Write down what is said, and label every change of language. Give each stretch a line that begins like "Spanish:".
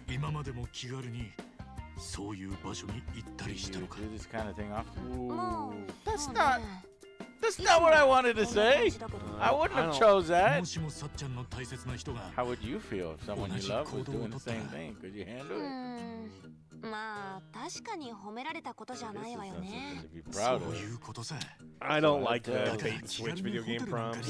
Japanese: 今までも気軽にそういう場所に行ったりしたのか?
English: Do this kind of thing often? That's not what I wanted to say. I wouldn't have chose that.
Japanese: もしもサッチャンの大切な人が
English: How would you feel if someone you love was doing the same thing? Could you handle it?
Japanese: まあ、確かに褒められたことじゃないわよね。そういうことさ。
English: I don't like the bait and switch video game prompts.